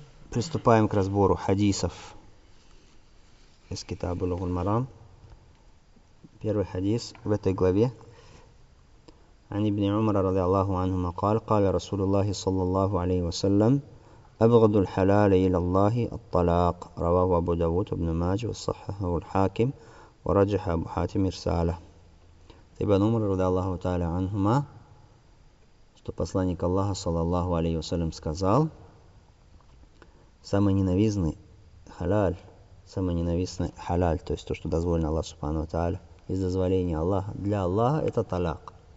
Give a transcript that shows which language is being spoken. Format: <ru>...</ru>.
<ru>Приступаем к разбору хадисов из Китаба Лугул Марам. Первый хадис в этой главе.</ru> <ar>عن ابن عمر رضي الله عنهما قال قال رسول الله صلى الله عليه وسلم أبغض الحلال إلى الله الطلاق رواه أبو داود وابن ماجه وصححه الحاكم ورجح أبو حاتم إرساله. ابن عمر رضي الله تعالى عنهما</ar> <ru>что посланник Аллаха</ru> <ar>صلى الله عليه وسلم</ar> <ru>сказал самый ненавистный халал, самый ненавистный халал, то есть то, что дозволено Аллаху</ru> <ar>سبحانه وتعالى</ar> <ru>из дозволения Аллаха для Аллаха, это талак.</ru>